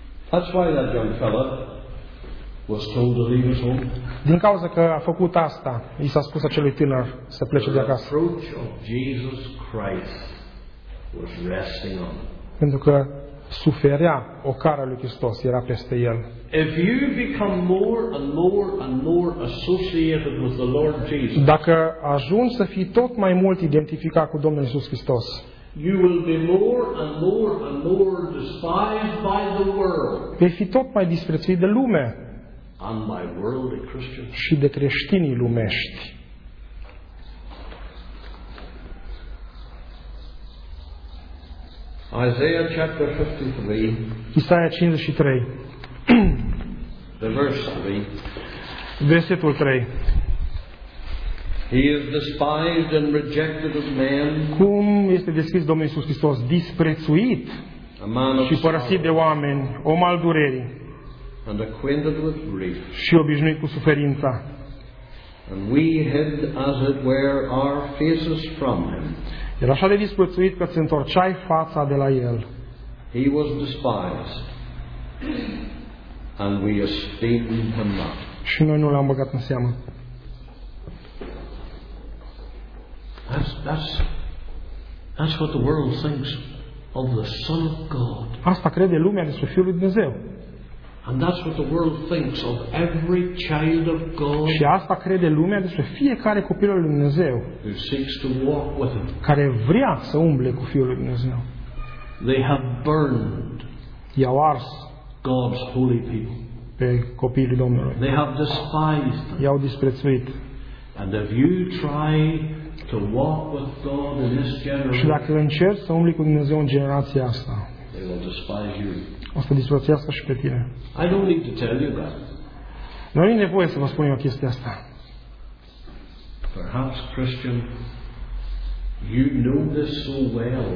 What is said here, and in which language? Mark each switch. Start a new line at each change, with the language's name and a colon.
English: That's why that young fellow was told to leave his home.
Romanian: Din cauza că a făcut asta, i s-a spus acelui tânăr să plece de acasă.
English: The reproach of Jesus Christ was resting on.
Romanian: Pentru că suferea ocara lui Hristos era peste el.
English: If you become more and more and more associated with the Lord Jesus.
Romanian: Dacă ajungi să fii tot mai mult identificat cu Domnul Iisus Hristos.
English: You will be more and more and more despised by the world.
Romanian: Vei fi tot mai disprețuit de lume.
English: And by worldly Christians.
Romanian: Și de creștinii lumești.
English: Isaiah chapter 53.
Romanian: Isaia 53.
English: The verse 3.
Romanian: Versetul 3.
English: He is despised and rejected of men.
Romanian: Cum este descris Domnul Iisus Hristos? Disprețuit și părăsit de oameni, om al durerii.
English: And acquainted with grief.
Romanian: Și obișnuit cu suferința.
English: And we hid as it were our faces from him.
Romanian: Era așa de disprețuit că ți întorceai fața de la el.
English: He was despised. And we esteemed him not.
Romanian: Și noi nu l-am băgat în seamă.
English: That's what the world thinks of the Son of God.
Romanian: Asta crede lumea despre Fiul lui Dumnezeu.
English: And that's what the world thinks of every child of God.
Romanian: Și asta crede lumea despre fiecare copil al lui Dumnezeu.
English: Who seeks to walk with him.
Romanian: Care vrea să umble cu Fiul lui Dumnezeu.
English: They have burned.
Romanian: I-au ars
English: God's holy people.
Romanian: Pe copiii Domnului.
English: They have despised.
Romanian: I-au disprețuit.
English: And if you try to walk with God in this generation.
Romanian: Și dacă încerci să umbli cu Dumnezeu în generația asta.
English: They will despise you.
Romanian: O să disprețuiască și pe tine.
English: I don't need to tell you that.
Romanian: Nu e nevoie să vă spun eu chestia asta.
English: Perhaps Christian, you know this so well.